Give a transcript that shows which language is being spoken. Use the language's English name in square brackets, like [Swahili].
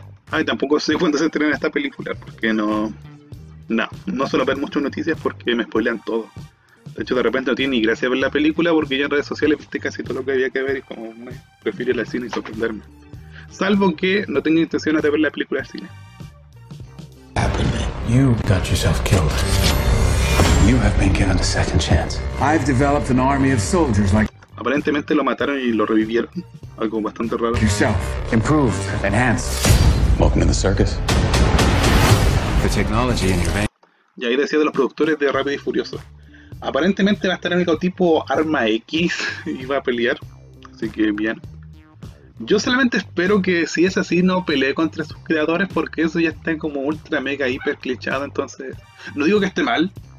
[Spanish] Ay, tampoco sé cuándo se estrena esta película, porque no... No, no suelo ver muchas noticias porque me spoilean todo. De hecho, de repente no tiene ni gracia ver la película porque ya en redes sociales viste casi todo lo que había que ver y como me prefiero ir al cine y sorprenderme. Salvo que no tenga intenciones de ver la película al cine. [English] You got yourself killed. You have been given a second chance. I've developed an army of soldiers like... [Spanish] Aparentemente lo mataron y lo revivieron. Algo bastante raro. [English] Yourself. Improved. Enhanced. Welcome to the circus. The technology in your vein. [Spanish] Y ahí decía de los productores de Rápido y Furioso. Aparentemente va a estar el único tipo Arma X y va a pelear. Así que bien. Yo solamente espero que si es así no pelee contra sus creadores porque eso ya está como ultra mega hiper clichado. Entonces, no digo que esté mal,